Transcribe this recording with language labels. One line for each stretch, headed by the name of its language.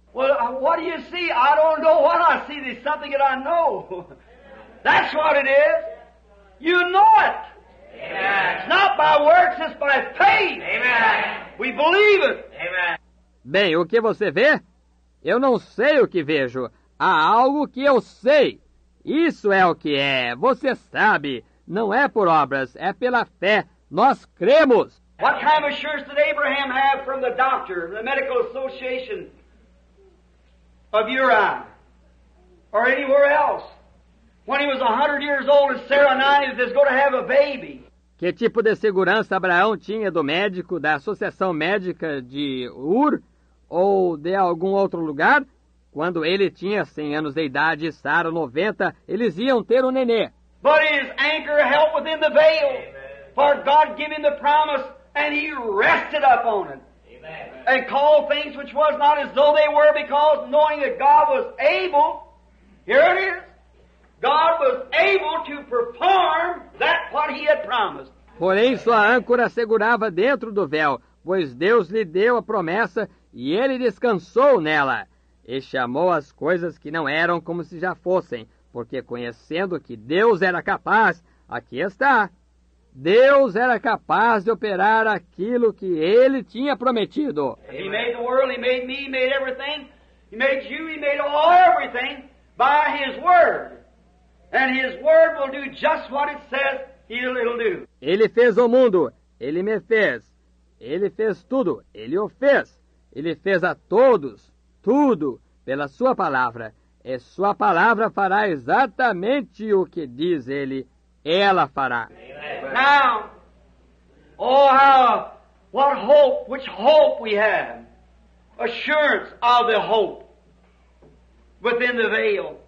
English: Well, what do you see? I don't know what I see. There's something that I know. That's what it is. You know it. Amen. It's not by works, it's by faith. Amen. We believe it. Amen.
Portuguese: Bem, o que você vê? Eu não sei o que vejo. Há algo que eu sei. Isso é o que é. Você sabe. Não é por obras, é pela fé. Nós cremos.
English: What kind of assurance did Abraham have from the doctor, the medical association of Uri, or anywhere else? When he was 100 years old and Sarah 90 is going to have a baby.
Portuguese: Que tipo de segurança Abraão tinha do médico da Associação Médica de Ur ou de algum outro lugar? Quando ele tinha 100 anos de idade e Sara 90, eles iam ter um nenê.
English: But his anchor held within the veil. Amen. For God gave him the promise and he rested up on it. Amen. And called things which was not as though they were, because knowing that God was able. Here it is. God was able to perform that what he had promised.
Portuguese: Porém, sua âncora segurava dentro do véu, pois Deus lhe deu a promessa e ele descansou nela. E chamou as coisas que não eram como se já fossem, porque conhecendo que Deus era capaz, aqui está. Deus era capaz de operar aquilo que ele tinha prometido.
English: He made the world, he made me, he made everything. He made you, he made all everything by his word. And his word will do just what it says it'll do.
Portuguese: Ele fez o mundo, ele me fez. Ele fez tudo, ele o fez. Ele fez a todos, tudo, pela sua palavra. E sua palavra fará exatamente o que diz ele, ela fará.
English: Now, oh, what hope, which hope we have. Assurance of the hope within the veil.